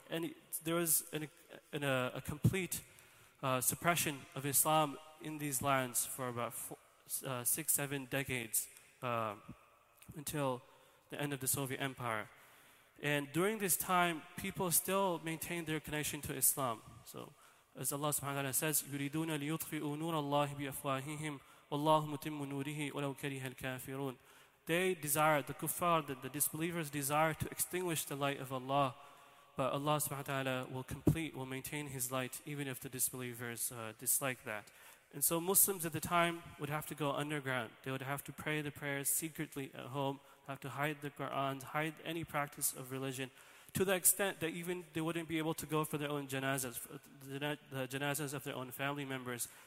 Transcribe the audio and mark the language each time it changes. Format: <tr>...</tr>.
<en>And there was a complete suppression of Islam in these lands for about six, seven decades until the end of the Soviet Empire. And during this time, people still maintained their connection to Islam. So as Allah subhanahu wa ta'ala says,</en> <ar>يُرِيدُونَ لِيُطْفِئُوا نُورَ اللَّهِ بِأَفْوَاهِهِمْ وَاللَّهُ مُتِمُّ نُورِهِ وَلَوْ كَرِهَ الْكَافِرُونَ.</ar> <en>They desire, the kuffar, the disbelievers desire to extinguish the light of Allah, but Allah subhanahu wa ta'ala will maintain His light even if the disbelievers dislike that. And so Muslims at the time would have to go underground. They would have to pray the prayers secretly at home, have to hide the Quran, hide any practice of religion, to the extent that even they wouldn't be able to go for their own janazas, the janazas of their own family members.</en>